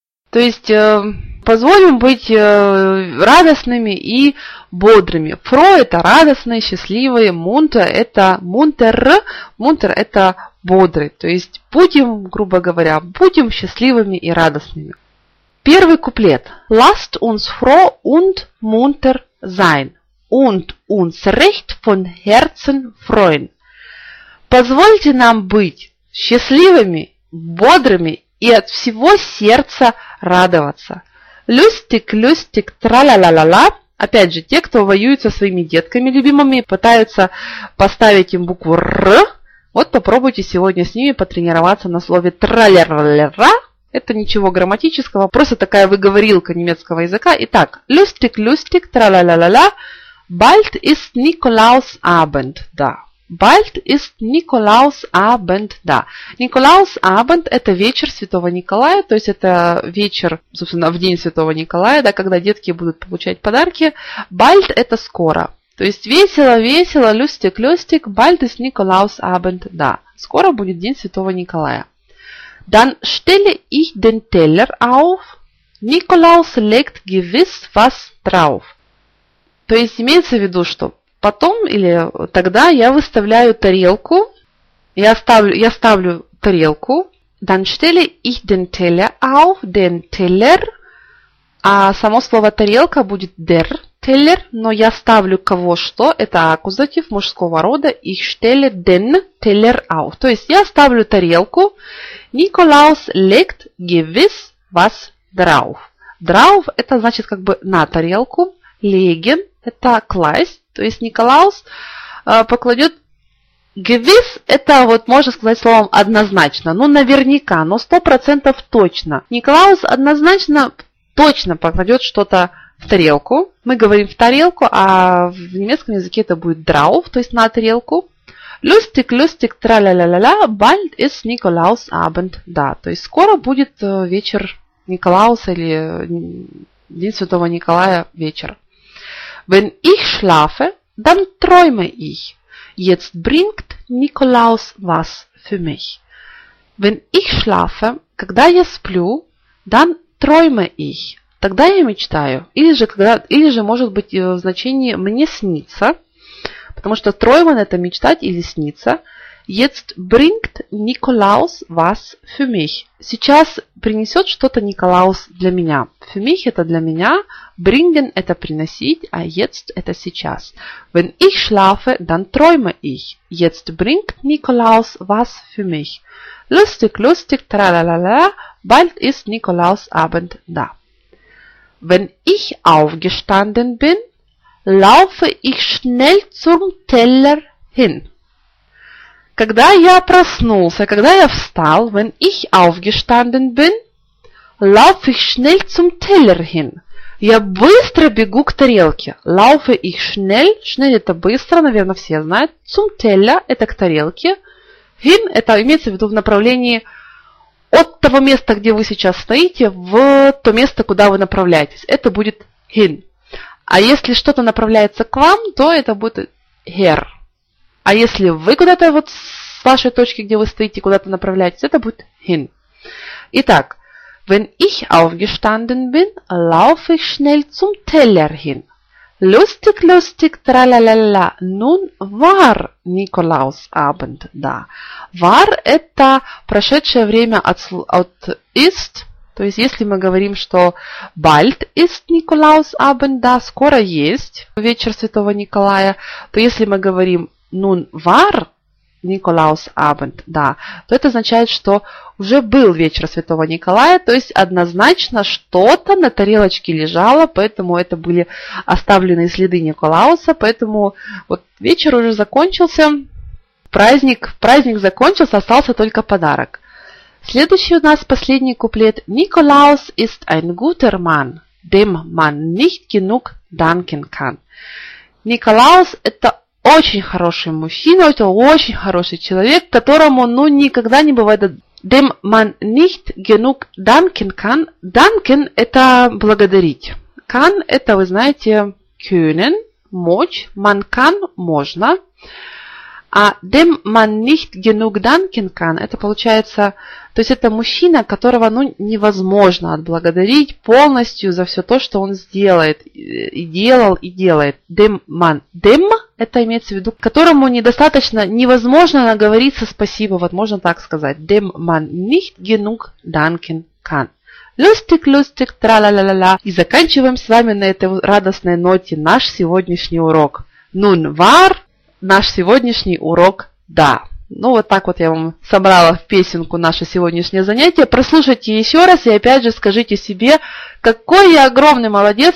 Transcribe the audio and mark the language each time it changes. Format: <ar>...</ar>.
<ru>То есть позволим быть радостными и бодрыми. Фро – это радостные, счастливые. Мунта – это мунтер. Мунтер – это бодрый. То есть будем, грубо говоря, будем счастливыми и радостными. Первый куплет.</ru> <de>Lasst uns froh und munter sein. Und uns recht von Herzen freuen.</de> <ru>Позвольте нам быть счастливыми, бодрыми и от всего сердца радоваться.</ru> <de>Люстик, люстик,</de> <ru>тра-ла-ла-ла-ла. Опять же, те, кто воюют со своими детками любимыми, пытаются поставить им букву Р. Вот попробуйте сегодня с ними потренироваться на слове тра-ля-ла-ла-ла. Это ничего грамматического, просто такая выговорилка немецкого языка. Итак,</ru> <de>люстик, люстик,</de> <ru>тра-ла-ла-ла-ла.</ru> <de>Bald ist Nikolaus Abend, да. Bald ist Nikolaus Abend, да.</de> <ru>Nikolaus Abend – это вечер Святого Николая, то есть это вечер, собственно, в день Святого Николая, да, когда детки будут получать подарки. Bald – это скоро. То есть весело, весело,</ru> <de>люстик, люстик. Bald ist Nikolaus Abend, да.</de> <ru>Скоро будет день Святого Николая.</ru> <de>Dann stelle ich den Teller auf. Nikolaus legt gewiss was Штрауф.</de> <ru>То есть имеется в виду, что потом или тогда я выставляю тарелку, я ставлю тарелку,</ru> <de>dann stelle ich den Teller</de> <ru>auf, den Teller, а само слово тарелка будет</ru> <de>der Teller,</de> <ru>но я ставлю кого что, это аккузатив мужского рода,</ru> <de>ich stelle den Teller auf.</de> <ru>То есть я ставлю тарелку,</ru> <de>Nikolaus legt gewiss was drauf.</de> <ru>Drauf это значит как бы на тарелку, legen это класть, то есть Николаус покладет gewiss, это вот можно сказать словом однозначно, ну наверняка, но 100% точно. Николаус однозначно точно покладет что-то в тарелку. Мы говорим в тарелку, а в немецком языке это будет drauf, то есть на тарелку.</ru> <de>Lustig, lustig, tra-la-la-la-la, bald ist Nikolausabend, да.</de> <ru>То есть скоро будет вечер Николауса или День Святого Николая вечер.</ru> <de>Wenn ich schlafe, dann träume ich. Jetzt bringt Nikolaus was für mich. Wenn ich schlafe,</de> <ru>когда я сплю,</ru> <de>dann träume ich.</de> <ru>Тогда я мечтаю. Или же может быть в значении мне снится. Потому что träumen это мечтать или снится.</ru> <de>Jetzt bringt Nikolaus was für mich.</de> <ru>Сейчас принесет что-то Николаус для меня.</ru> <de>Für mich</de> <ru>это для меня. Bringen это приносить, а jetzt это сейчас.</ru> <de>Wenn ich schlafe, dann träume ich. Jetzt bringt Nikolaus was für mich. Lustig, lustig, tralalala, bald ist Nikolausabend da. Wenn ich aufgestanden bin, laufe ich schnell zum Teller hin.</de> <ru>Когда я проснулся, когда я встал,</ru> <de>wenn ich aufgestanden bin, laufe ich schnell zum Teller hin.</de> <ru>Я быстро бегу к тарелке.</ru> <de>Laufe ich schnell,</de> <ru>schnell это быстро, наверное, все знают.</ru> <de>Zum Teller</de> <ru>это к тарелке. Hin это имеется в виду в направлении от того места, где вы сейчас стоите, в то место, куда вы направляетесь. Это будет hin. А если что-то направляется к вам, то это будет her. А если вы куда-то вот с вашей точки, где вы стоите, куда-то направляетесь, это будет hin.</ru> <de>Итак, wenn ich aufgestanden bin, laufe ich schnell zum Teller hin. Lustig, lustig, tra-la-la-la. Nun war Nikolausabend da.</de> <ru>War – это прошедшее время от ist. То есть, если мы говорим, что</ru> <de>bald ist Nikolausabend da,</de> <ru>скоро есть вечер Святого Николая, то если мы говорим</ru> <de>nun war Nikolausabend,</de> <ru>да, то это означает, что уже был вечер Святого Николая, то есть однозначно что-то на тарелочке лежало, поэтому это были оставленные следы Николауса, поэтому вот вечер уже закончился, праздник закончился, остался только подарок. Следующий у нас последний куплет.</ru> <de>Nikolaus ist ein guter Mann, dem man nicht genug danken kann.</de> <ru>Nikolaus это очень хороший мужчина, это очень хороший человек, которому, ну, никогда не бывает,</ru> <de>dem man nicht genug danken kann.</de> <ru>Danken – это благодарить. Kann – это, вы знаете, können, мочь.</ru> <de>Man kann</de> <ru>– можно. А</ru> <de>dem man nicht genug danken kann</de> <ru>– это получается, то есть это мужчина, которого, ну, невозможно отблагодарить полностью за все то, что он сделает, и делал, и делает.</ru> <de>Dem man</de> <ru>– dem – это имеется в виду, которому недостаточно, невозможно наговориться спасибо, вот можно так сказать.</ru> <de>Dem man nicht genug danken kann. Lustig, lustig, tra-la-la-la-la.</de> <ru>И заканчиваем с вами на этой радостной ноте наш сегодняшний урок.</ru> <de>Nun war</de> <ru>наш сегодняшний урок, да. Ну, вот так вот я вам собрала в песенку наше сегодняшнее занятие. Прослушайте еще раз и опять же скажите себе, какой я огромный молодец.</ru>